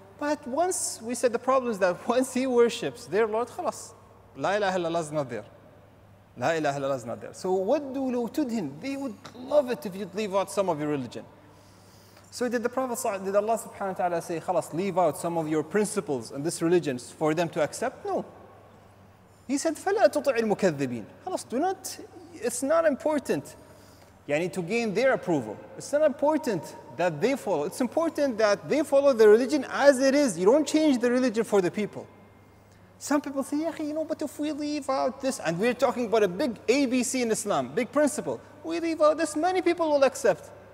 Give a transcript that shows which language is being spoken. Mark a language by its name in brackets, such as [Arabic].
[English] But once we said the problem is that once he worships their Lord, khalas, la ilaha illallah is not there. La ilaha illallah is not there. So waddu lo tudhin, they would love it if you'd leave out some of your religion. So did the Prophet, did Allah subhanahu wa ta'ala say, khalas, leave out some of your principles in this religion for them to accept? No. He said, [Arabic] فَلَا تُطِعِ الْمُكَذِّبِينَ. [English] خلاص, do not, it's not important, yani, to gain their approval. It's not important that they follow. It's important that they follow the religion as it is. You don't change the religion for the people. Some people say, yeah, you know, but if we leave out this, and we're talking about a big ABC in Islam, big principle, we leave out this, many people will accept.